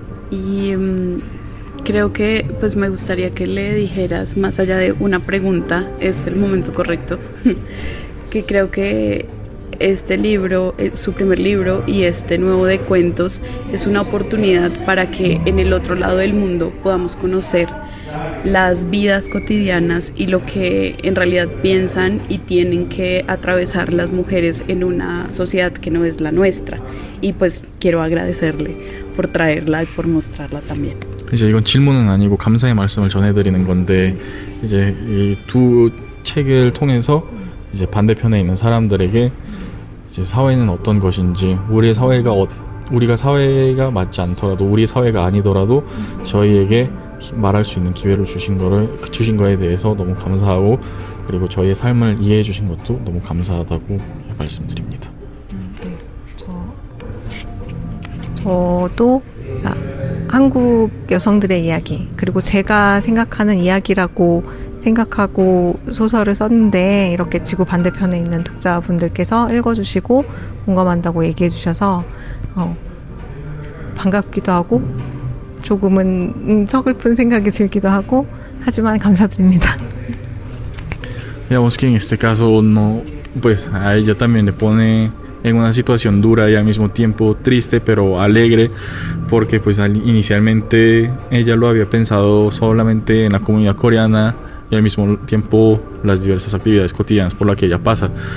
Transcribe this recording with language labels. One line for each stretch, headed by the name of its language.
Spanish: Y creo que pues me gustaría que le dijeras, más allá de una pregunta, es el momento correcto, que creo que este libro, su primer libro y este nuevo de cuentos, es una oportunidad para que en el otro lado del mundo podamos conocer las vidas cotidianas y lo que en realidad piensan y tienen que atravesar las mujeres en una sociedad que no es la nuestra. Y pues quiero agradecerle por traerla y por mostrarla también.
Korean: 이제 이건 질문은 아니고 감사의 말씀을 전해드리는 건데, 이제 이 두 책을 통해서 이제 반대편에 있는 사람들에게 이제 사회는 어떤 것인지, 우리의 사회가 우리가 사회가 맞지 않더라도, 우리 사회가 아니더라도 저희에게 말할 수 있는 기회를 주신 거에 대해서 너무 감사하고, 그리고 저희의 삶을 이해해 주신 것도 너무 감사하다고 말씀드립니다. 저도 한국 여성들의 이야기, 그리고 제가 생각하는 이야기라고 생각하고 소설을 썼는데, 이렇게 지구 반대편에 있는 독자분들께서 읽어주시고 공감한다고 얘기해 주셔서 반갑기도 하고 조금은 서글픈 생각이 들기도 하고, 하지만 감사드립니다.
Spanish: Digamos que en este caso no, pues a ella también le pone en una situación dura y al mismo tiempo triste, pero alegre, porque pues inicialmente ella lo había pensado solamente en la comunidad coreana y al mismo tiempo las diversas actividades cotidianas por las que ella pasa.